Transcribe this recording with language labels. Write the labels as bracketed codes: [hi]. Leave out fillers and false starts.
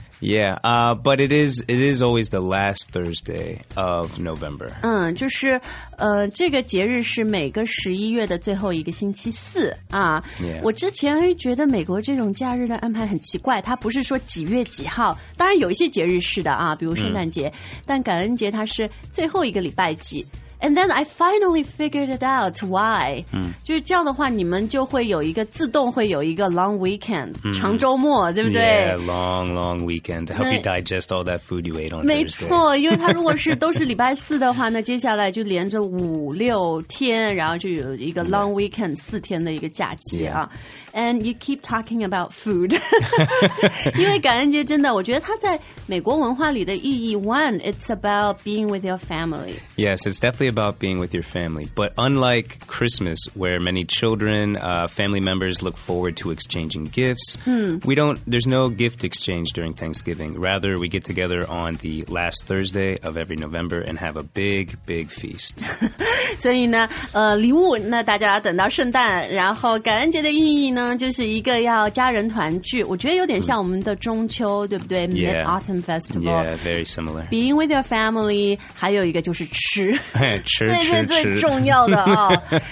[en] Yeah, but it is always the last Thursday of November. [zh] 嗯，就是这个节日是每个十一月的最后一个星期四啊。 [en] Yeah. [zh] 我之前觉得美国这种假日的安排很奇怪，它不是说几月几号，当然有一些节日是的啊，比如圣诞节，但感恩节它是最后一个礼拜几。 [en] And then I finally figured it out why. [zh] 就是这样的话你们就会有一个自动会有一个 [en] long weekend, [zh] 长周末对不对 [en] Yeah, long, long weekend to help you digest all that food you ate on Thursday. [zh] 没错因为它如果是都是礼拜四的话那接下来就连着五六天然后就有一个 [en] long weekend, [zh] 四天的一个假期啊。 [en] Yeah. And you keep talking about food. [zh] 因为感恩节真的我觉得它在美国文化里的意义 [en] one, it's about being with your family. Yes, it's definitely about being with your family. But unlike Christmas, where many children, family members look forward to exchanging gifts, there's no gift exchange during Thanksgiving. Rather, we get together on the last Thursday of every November and have a big, big feast. [zh] 所以呢，礼物，那大家等到圣诞，然后感恩节的意义呢，就是一个要家人团聚。我觉得有点像我们的中秋，对不对 ？Mid-Autumn Festival. [en] Yeah, very similar. Being with your family, [zh] 还有一个就是吃。吃对对最重要的啊、哦！